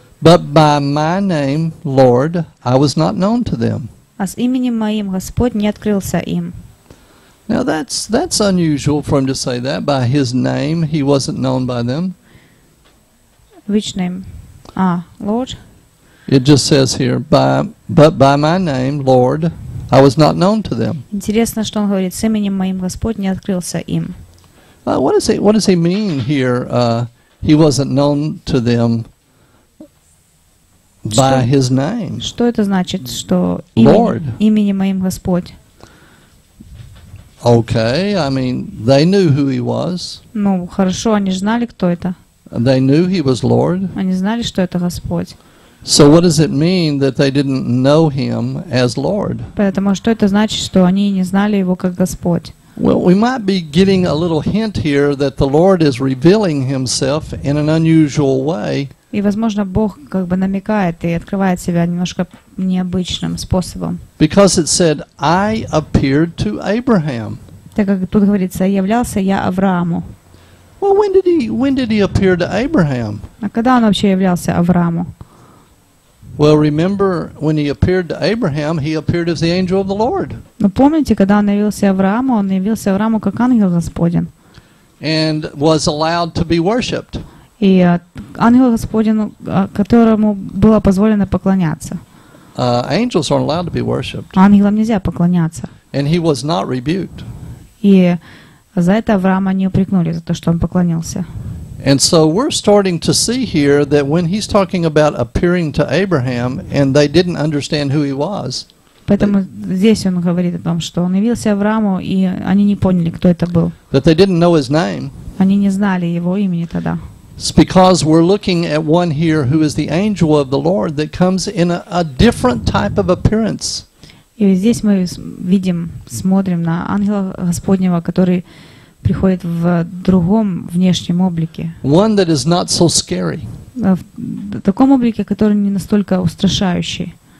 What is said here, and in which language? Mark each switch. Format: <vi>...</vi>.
<en>But by my name, Lord, I was not known to them.</en> <ru>А с именем моим Господь не открылся им.</ru> <en>Now that's unusual for him to say that. By his name, he wasn't known by them. Which name? Lord. It just says here, but by my name, Lord, I was not known to them.</en> <ru>Интересно, что он говорит: с именем моим Господь не открылся им.</ru> <en>What does he mean here? He wasn't known to them by</en> <ru>что,</ru> <en>his name.</en> <ru>Что это значит, что имя, Lord. Именем моим Господь?</ru> <en>Okay, I mean, they knew who he was.</en> <ru>Ну хорошо, они знали, кто это.</ru> <en>They knew he was Lord.</en> <ru>Они знали, что это Господь.</ru> <en>So what does it mean that they didn't know him as Lord?</en> <ru>Поэтому что это значит, что они не знали его как Господь?</ru> <en>Well, we might be getting a little hint here that the Lord is revealing himself in an unusual way.</en> <ru>И, возможно, Бог как бы намекает и открывает себя немножко необычным способом.</ru> <en>Because it said, I appeared to Abraham.</en> <ru>Так как тут говорится, являлся я Аврааму.</ru> <en>Well, when did he appear to Abraham?</en> <ru>А когда он вообще являлся Аврааму?</ru> <en>Well, remember when he appeared to Abraham, he appeared as the angel of the Lord.</en> <ru>Но помните, когда он явился Аврааму, он явился Аврааму как ангел Господень.</ru> <en>And was allowed to be worshipped.</en> <ru>И ангел Господень, которому было позволено поклоняться.</ru> <en>Angels aren't allowed to be worshipped.</en> <ru>Ангелам нельзя поклоняться.</ru> <en>And he was not rebuked.</en> <ru>И за это Авраама не упрекнули, за то, что он поклонился.</ru> <en>And so we're starting to see here that when he's talking about appearing to Abraham and they didn't understand who he was.</en> <ru>Поэтому здесь он говорит о том, что он явился Аврааму, и они не поняли, кто это был.</ru> <en>That they didn't know his name.</en> <ru>Они не знали его имени тогда.</ru> <en>It's because we're looking at one here who is the angel of the Lord that comes in a different type of appearance.</en> <ru>И здесь мы видим, смотрим на ангела Господнего, который приходит в другом внешнем облике.</ru> <en>One that is not so scary.</en> <ru>В таком облике, который не настолько устрашающий.</ru>